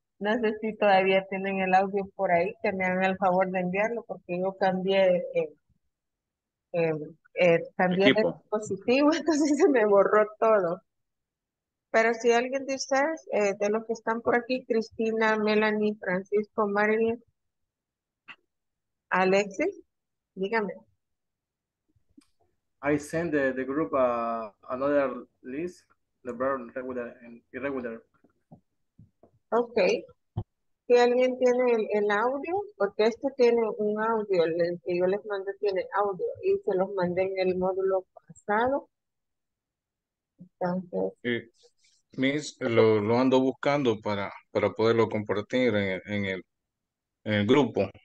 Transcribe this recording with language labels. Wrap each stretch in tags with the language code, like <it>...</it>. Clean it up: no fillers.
<es>No sé si todavía tienen el audio por ahí, que me hagan el favor de enviarlo, porque yo cambié el dispositivo, entonces se me borró todo. Pero si alguien de ustedes, de los que están por aquí, Cristina, Melanie, Francisco, Marilyn, Alexis, dígame.</es> <en>I send the group another list, the burn regular and irregular. Okay.</en> <es>Si alguien tiene el audio, porque este tiene un audio, el que yo les mandé tiene audio y se los mandé en el módulo pasado. Entonces. Sí. Miss, lo ando buscando para poderlo compartir en el grupo.</es>